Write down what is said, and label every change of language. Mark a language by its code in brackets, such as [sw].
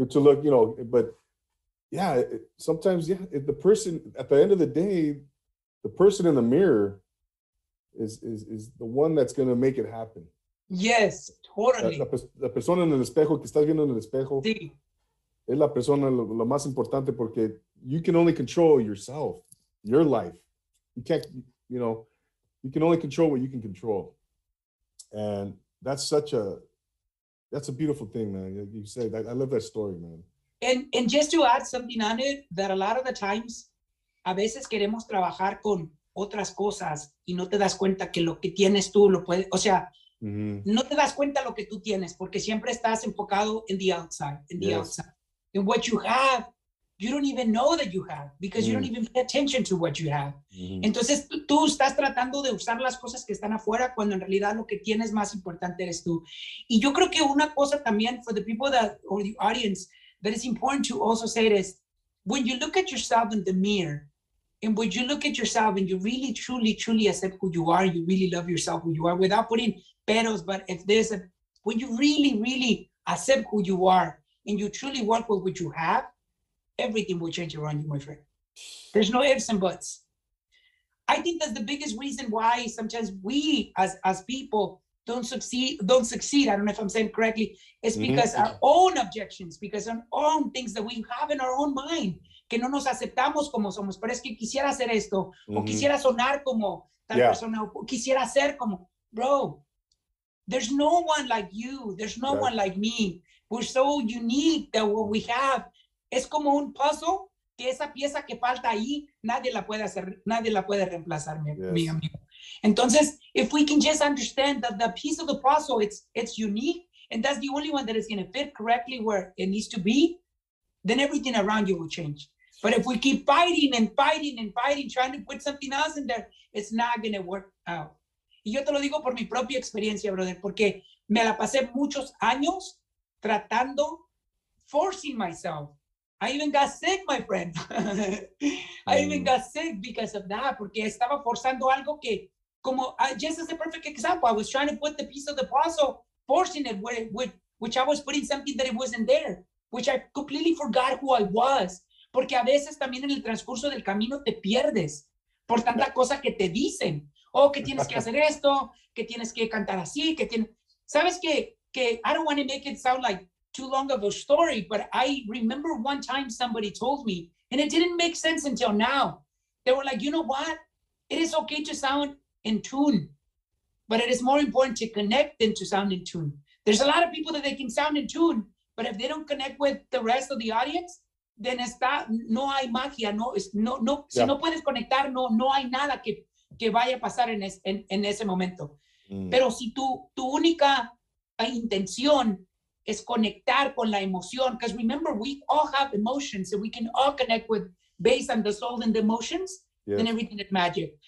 [en] to look, you know, but yeah, sometimes, yeah, the person at the end of the day, the person in the mirror is the one that's going to make it happen. Yes, totally. [es] La persona en el espejo, que estás viendo en el espejo, sí. Es la persona lo más importante porque [en] you can only control yourself, your life. You can't, you know, you can only control what you can control. And that's such a beautiful thing, man. You say that. I love that story, man. And just to add something on it, that a lot of the times, [es] a veces queremos trabajar con otras cosas y no te das cuenta que lo que tienes tú lo puedes, o sea, no te das cuenta lo que tú tienes porque siempre estás enfocado en [en] the outside, [es] en the outside. [en] And what you have, you don't even know that you have because you don't even pay attention to what you have. [es] Entonces, tú estás tratando de usar las cosas que están afuera cuando en realidad lo que tienes más importante eres tú. [en] Y yo creo que una cosa también for the people that, or the audience, that is important to also say is, when you look at yourself in the mirror, and when you look at yourself and you really, truly, truly accept who you are, you really love yourself who you are without putting peros, but if there's a, when you really, really accept who you are, and you truly work with what you have, everything will change around you, my friend. There's no ifs and buts. I think that's the biggest reason why sometimes we as people don't succeed, I don't know if I'm saying it correctly, it's because our own objections, because our own things that we have in our own mind, [es] que no nos aceptamos como somos, pero es que quisiera hacer esto, mm-hmm. o quisiera sonar como tal yeah. persona, o quisiera ser como, [en] bro, there's no one like you, there's no right. one like me, [es] we're so unique that what we have, es como un puzzle, que esa pieza que falta ahí, nadie la puede hacer, nadie la puede reemplazar, yes. mi amigo. [en] Entonces, if we can just understand that the piece of the puzzle, it's unique, and that's the only one that is going to fit correctly where it needs to be, then everything around you will change. But if we keep fighting and fighting and fighting, trying to put something else in there, it's not going to work out. [es] Y yo te lo digo por mi propia experiencia, brother, porque me la pasé muchos años tratando, [en] forcing myself. I even got sick, my friend. I even got sick because of that, [es] porque estaba forzando algo que, como, [en] just as a perfect example, I was trying to put the piece of the puzzle, forcing it, which I was putting something that it wasn't there, which I completely forgot who I was. [es] Porque a veces también en el transcurso del camino te pierdes por tanta cosa que te dicen. Oh, que tienes que hacer esto, que tienes que cantar así, que tienes... ¿Sabes qué? [en] Que I don't want to make it sound like too long of a story, but I remember one time somebody told me, and it didn't make sense until now. They were like, you know what? It is okay to sound in tune, but it is more important to connect than to sound in tune. There's a lot of people that they can sound in tune, but if they don't connect with the rest of the audience, then [es] está, no hay magia, [en] no, es, no, no, yeah. [es] si no puedes conectar, no, no hay nada que, que vaya a pasar en, es, en ese momento. [en] Mm. [es] Pero si tu única intención es conectar con la emoción, [en] because remember, we all have emotions, and we can all connect with, based on the soul and the emotions, yes. then everything is magic.